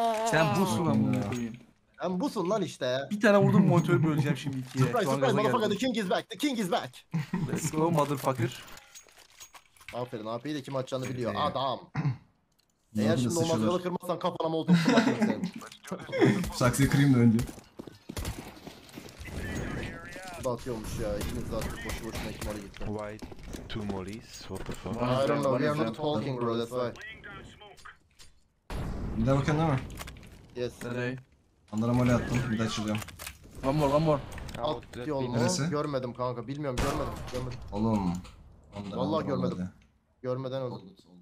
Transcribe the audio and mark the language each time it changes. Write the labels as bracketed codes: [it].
[tr] Sen busun lan bunu koyayım. Sen busun lan işte. Bir tane vurdum motoru böleceğim şimdi ikiye. [en] Surprise surprise motherfucker, the king is back, the king is back. Let's go motherfucker. [tr] Aferin, AP'yi de kim açacağını biliyor adam. Eğer şimdi o mazgalı kırmazsan kafana molotof kırmazsın. Saksıyı kırayım da önce. Batıyormuş ya, ikimiz de artık boşu boşuna ikmali gitti. [en] Why two mollies? What the fuck? I don't know, we are not talking bro, that's why. [tr] Bir daha bakıyorsun değil mi? [en] Yes. [tr] Nereye? Andara molly attım, bir daha açılıyorum. [en] One more, one more. [tr] At diyor oğlum. Neresi? Görmedim kanka, bilmiyorum, görmedim. Oğlum. Andara vallahi andara görmedim. Andara. Görmeden öldüm.